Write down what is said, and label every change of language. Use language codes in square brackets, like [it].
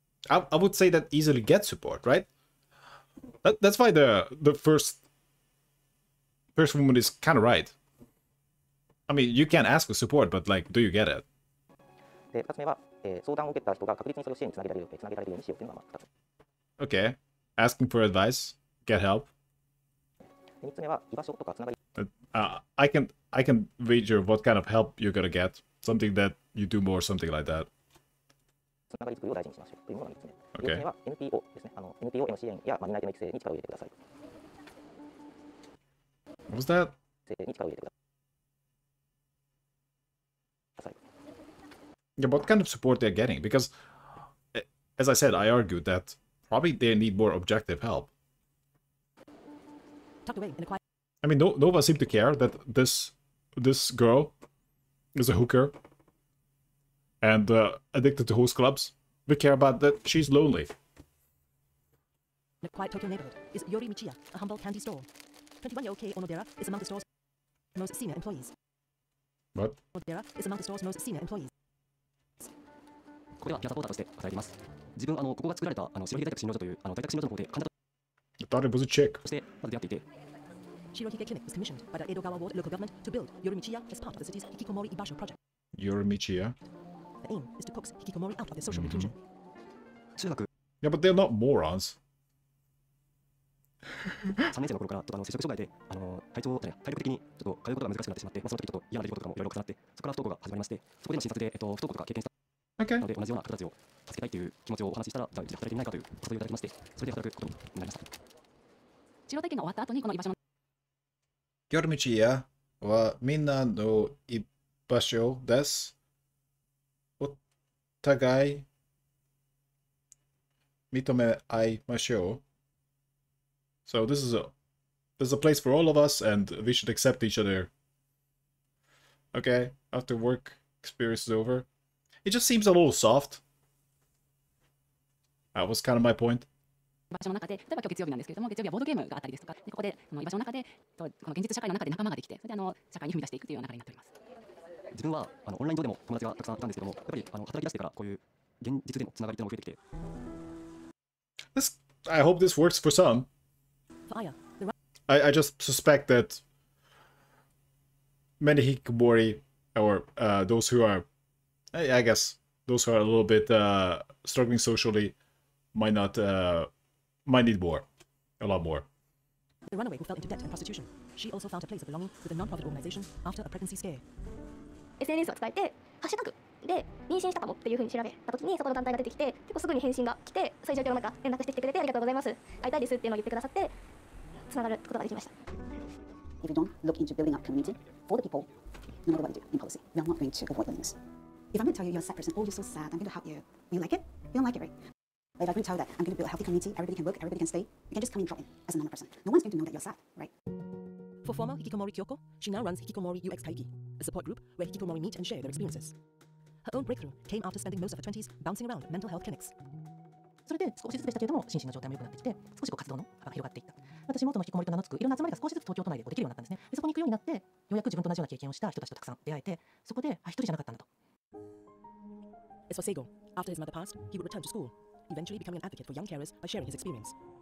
[en] I would say that easily get support, right? That's why the first woman is kind of right. I mean, you can ask for support, but like, do you get it? [ja] で、二つ目は、相談を受けた人が確実にそれを支援につなげられる、つなげられるようにしようというのが二つ。 [en] Okay, asking for advice, get help. [ja] 三つ目は居場所とかつながり。 [en] I can wager what kind of help you're gonna get. Something that you do more, something like that. [ja] つながり作りを大事にしましょうというのが3つ目。 [en] Okay. [ja] 4つ目は NPO ですね。 NPO への支援や担い手の育成に力を入れてください。 [en] What was that? [ja] 育成に力を入れてください。 [en] Yeah, what kind of support they're getting? Because, as I said, I argued that probably they need more objective help. Tucked away in a quiet... I mean, no one seemed to care that this girl is a hooker. And addicted to host clubs, we care about that she's lonely. In a quiet Tokyo neighborhood is Yori Michiya, a humble candy store. 21-year-old Kei Onodera is among the store's most senior employees. What? Onodera is among the store's most senior employees. [ja] ここではキャサポーターとして働いています。自分ここが作られた白髭在宅診療所という在宅診療所の方で患者と [en] I thought it was a chick. [ja] そしてまだ出会っていて。 [en] Shirohige Clinic was commissioned by the Edogawa Ward local government to build Yorimichiya as part of the city's Hikikomori Ibasho project. Yorimichiya? The aim is to coax Hikikomori out of their social reclusion. Yeah, but they're not morons. [ja] 3年生の頃からちょっと接触障害で体調じゃない体力的にちょっと通うことが難しくなってしまって、まあ、その時ちょっと嫌な出来事とかもいろいろ重なってそこから不登校が始まりましてそこでの診察で、不登校とか経験した、 [en] okay. [ja] ので同じような方たちを助けたいという気持ちをお話ししたらじゃあ働いてみないかというお誘いをいただきましてそれで働くことになりました。治療体験が終わった後にこの居場所の夜道屋はみんなの居場所です。お互い認め合いましょう。 [en] So this is a place for all of us, and we should accept each other. Okay, after work experience is over. It just seems a little soft. That was kind of my point. [ja] 場所の中で、例えば今日月曜日なんですけれども、月曜日はボードゲームがあったりですとか、ここでこの居場所の中で、この現実社会の中で仲間ができて、それで社会に踏み出していくという流れになっております。自分はオンライン上でも友達がたくさんいたんですけども、やっぱり働き出してからこういう現実でのつながりというのも増えてきて。 [en] I hope this works for some. I just suspect that many Hikikomori or those who are, I guess, those who are a little bit struggling socially might need more, a lot more. The runaway who fell into debt and prostitution. She also found a place of belonging with a non-profit organization after a pregnancy scare. [ja] SNS を伝えて、ハッシュタグで妊娠したかもっていうふうに調べたときにそこの団体が出てきて、結構すぐに返信が来て、そういう状況の中連絡してきてくれてありがとうございます。会いたいですっていうのを言ってくださって、つながることができました。 [en] If you don't look into building up community for the people, no matter what you do in policy, we are not going to avoid loneliness. If I'm going to tell you you're a sad person, oh, you're so sad, I'm going to help you. You like it? You don't like it, right? But if I'm going to tell you that I'm going to build a healthy community, everybody can work, everybody can stay, you can just come and drop in as a normal person. No one's going to know that you're sad, right? For former Hikikomori Kyoko, she now runs Hikikomori UX Taiki, a support group where Hikikomori meet and share their experiences. Her own breakthrough came after spending most of her 20s bouncing around mental health clinics. [ja] それで少しずつでしたけれども心身の状態も良くなってきて少しこう活動の幅が広がっていった。私もその引きこもりと名の付くいろんな集まりが少しずつ東京都内でできるようになったんですね。でそこに行くようになってようやく自分と同じような経験をした人たちとたくさん出会えてそこで一人じゃなかったんだと。 [en] As for Seigo, after his mother passed, he would return to school, eventually becoming an advocate for young carers by sharing his experience.